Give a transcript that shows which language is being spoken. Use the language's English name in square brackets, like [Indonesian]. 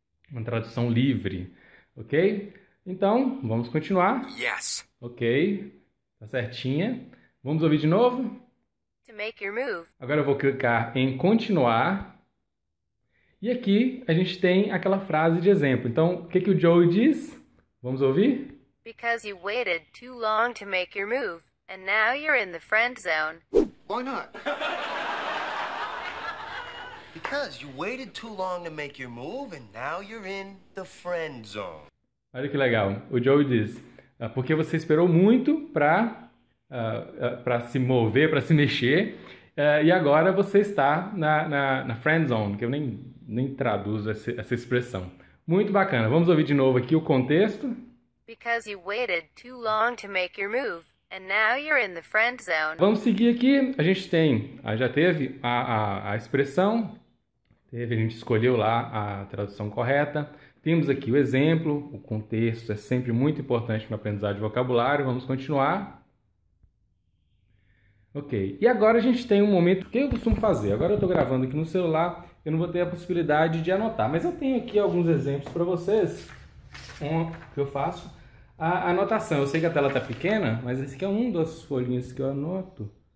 [Portuguese] Uma tradução livre. Ok? Então, vamos continuar. [English] Yes. [Portuguese] Ok. Tá certinha. Vamos ouvir de novo? [English] To make your move. [Portuguese] Agora eu vou clicar em continuar. E aqui a gente tem aquela frase de exemplo. Então, o que que o Joey diz? Vamos ouvir? [English] Because you waited too long to make your move, and now you're in the friend zone. Why not? Because you waited too long to make your move, and now you're in the friend zone. [Portuguese] Olha que legal. O Joey diz: porque você esperou muito para se mover, para se mexer. E agora você está na friend zone, que eu nem traduzo essa expressão. Muito bacana. Vamos ouvir de novo aqui o contexto. [English] Because you waited too long to make your move, and now you're in the friend zone. [Portuguese] Vamos seguir aqui. A gente tem, já teve a expressão. A gente escolheu lá a tradução correta. Temos aqui o exemplo. O contexto é sempre muito importante para aprendizado de vocabulário. Vamos continuar. Ok, e agora a gente tem um momento que eu costumo fazer. Agora eu estou gravando aqui no celular, eu não vou ter a possibilidade de anotar, mas eu tenho aqui alguns exemplos para vocês que eu faço a anotação. Eu sei que a tela está pequena, mas esse aqui é um das folhinhas que eu anoto.